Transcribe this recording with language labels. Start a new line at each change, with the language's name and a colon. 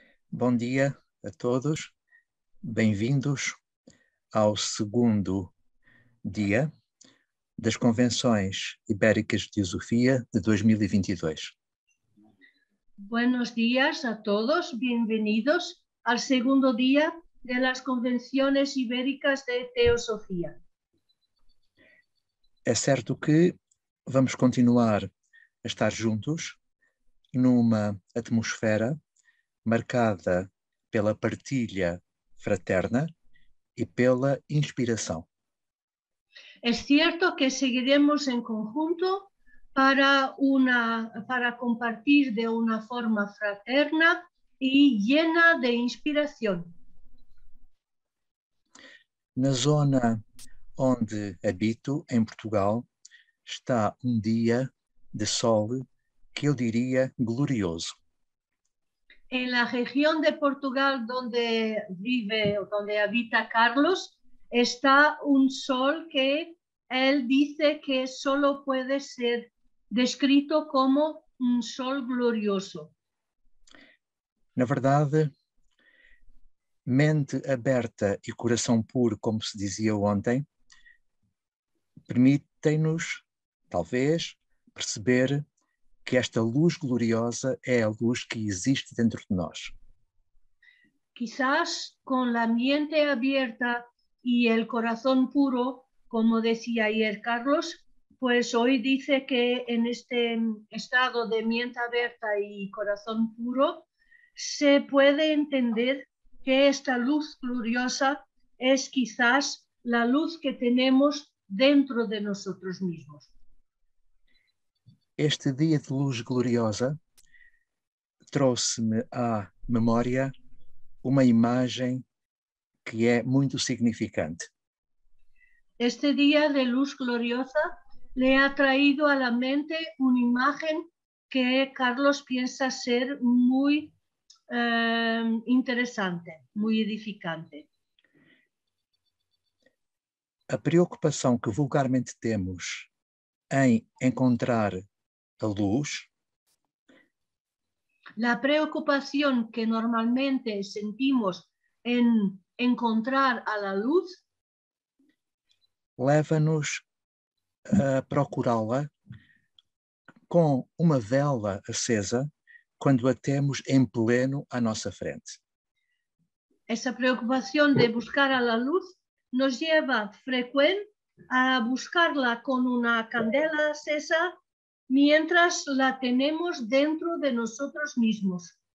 Portuguese: Bom dia a todos, bem-vindos ao segundo dia das Convenções Ibéricas de Teosofia de 2022.
Spanish: Buenos días a todos, bienvenidos al segundo día de las Convenciones Ibéricas de Teosofía.
Portuguese: É certo que vamos continuar a estar juntos numa atmosfera marcada pela partilha fraterna e pela inspiração. É certo que seguiremos em conjunto para compartir de uma forma fraterna e
Spanish: llena de
Portuguese: inspiração. Na zona onde habito, em Portugal, está um dia de sol que eu diria glorioso.
Spanish: En la región de Portugal donde vive o donde habita Carlos, está un sol que él dice que solo puede ser descrito como un sol glorioso.
Portuguese: Na verdade, mente aberta e coração puro, como se dizia ontem, permitem-nos, talvez, perceber que esta luz gloriosa é a luz que existe dentro de nós.
Spanish: Quizás con la mente abierta y el corazón puro, como decía ayer Carlos, pues hoy dice que en este estado de mente abierta y corazón puro se puede entender que esta luz gloriosa es quizás la luz que tenemos dentro de nosotros mismos.
Portuguese: Este dia de luz gloriosa trouxe-me à memória uma imagem que é muito significante.
Spanish: Este dia de luz gloriosa le ha traído a la mente una imagen que Carlos piensa ser muy interesante, muy edificante.
Portuguese: A preocupação que vulgarmente temos em encontrar a luz.
Spanish: La preocupación que normalmente sentimos en encontrar a la luz
Portuguese: leva-nos a procurá-la com uma vela acesa quando a temos em pleno à nossa frente. Essa preocupação
Spanish: de buscar a la luz nos lleva frequente a buscarla
Portuguese: com uma
Spanish: candela acesa mientras la tenemos dentro de nosotros mismos.